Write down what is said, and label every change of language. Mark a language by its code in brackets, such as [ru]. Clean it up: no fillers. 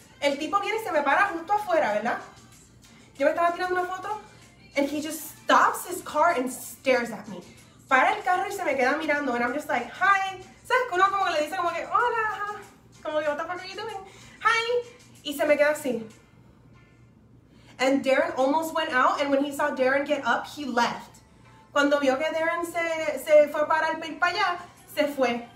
[es] El tipo viene y se me para justo afuera, ¿verdad? Yo me estaba tirando una foto. [en] And he just stops his car and stares at me. [es] Para el carro y se me queda mirando, [en] and I'm just like, hi. [es] ¿Sabes? Uno como que le dice como que, hola, como que, [en] what the fuck are you doing? Hi. [es] Y se me queda así. [en] And Darren almost went out, and when he saw Darren get up, he left. [es] Cuando vio que Darren se fue para el para allá, se fue.